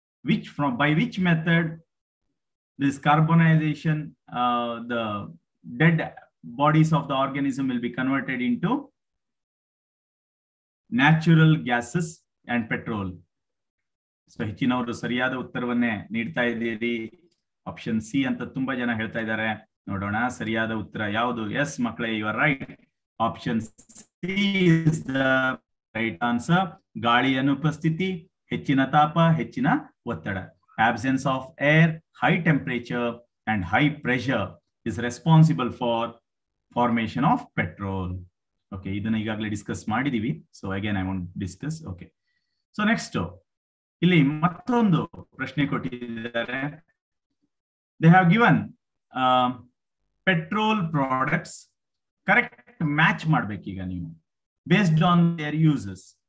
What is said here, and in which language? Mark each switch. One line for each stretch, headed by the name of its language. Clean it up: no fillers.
English: Which from by which method this carbonisation the dead bodies of the organism will be converted into natural gases and petrol.
Kannada: So ಹೆಚ್ಚಿನವರು ಸರಿಯಾದ ಉತ್ತರವನ್ನೇ ನೀಡ್ತಾ ಇದ್ದೀರಿ, option C ಅಂತ ತುಂಬಾ ಜನ ಹೇಳ್ತಾ ಇದ್ದಾರೆ. ನೋಡೋಣ ಸರಿಯಾದ ಉತ್ತರ ಯಾವುದು. ಎಸ್ ಮಕ್ಕಳೇ,
English: You are right, option is the right answer.
Kannada: ಗಾಳಿ ಅನುಪಸ್ಥಿತಿ, ಹೆಚ್ಚಿನ ತಾಪ, ಹೆಚ್ಚಿನ ಒತ್ತಡ,
English: absence of air, high temperature and high pressure is responsible for formation of petrol.
Kannada: Okay, ಇದನ್ನ ಈಗಾಗಲೇ ಡಿಸ್ಕಸ್ ಮಾಡಿದೀವಿ,
English: So again I want discuss.
Kannada: Okay, so next ಇಲ್ಲಿ ಮತ್ತೊಂದು ಪ್ರಶ್ನೆ ಕೊಟ್ಟಿದ್ದಾರೆ.
English: they have given petrol products correct match
Kannada: ಮಾಡ್ಬೇಕು ಈಗ ನೀವು
English: Based on their uses.